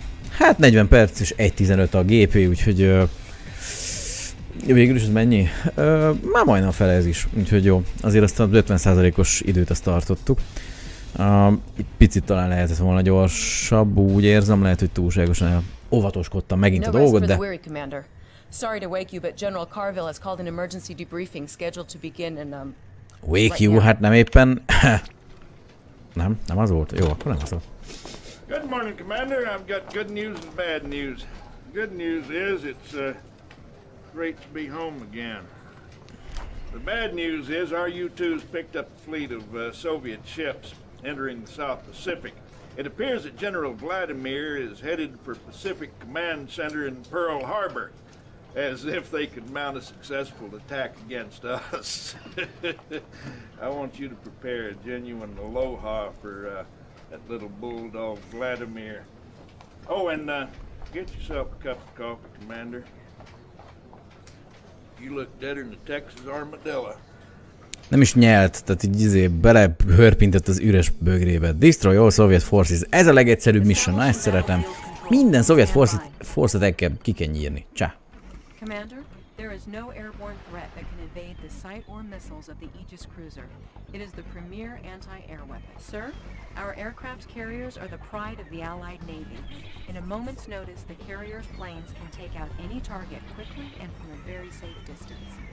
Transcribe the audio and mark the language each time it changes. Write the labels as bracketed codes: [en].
[hu] Hát 40 perc és 1.15 a GP, úgyhogy végül is ez mennyi? Már majdnem fele ez is, úgyhogy jó. Azért azt az 50%-os időt azt tartottuk. Picit talán lehetett volna gyorsabb, úgy érzem, lehet, hogy túlságosan óvatoskodtam megint a dolgot, de... [en] Sorry to wake you, but General Carville has called an emergency debriefing scheduled to begin in Wake you? [hu] Hát nem éppen... nem az volt? Jó, akkor nem az volt. [en] Good morning, Commander. I've got good news and bad news. Good news is it's great to be home again. The bad news is our U-2s picked up a fleet of Soviet ships entering the South Pacific. It appears that General Vladimir is headed for Pacific Command Center in Pearl Harbor, as if they could mount a successful attack against us. I want you to prepare a genuine aloha for... that little bulldog, Vladimir. Oh, and get yourself a cup of coffee, Commander. You look deader than a Texas armadillo. [hu] Nem is nyelt, tehát így belehörpintett az üres bögrébe. [en] Destroy all Soviet forces. [hu] Ez a legegyszerűbb mission, na ezt szeretem. Minden Soviet force-et el kell kikenyírni. Csá. [en] Commander, there is no airborne threat that can evade the sight or missiles of the Aegis cruiser. It is the premier anti-air weapon. Sir? Our aircraft carriers are the pride of the Allied Navy. In a moment's notice, the carrier's planes can take out any target quickly and from a very safe distance.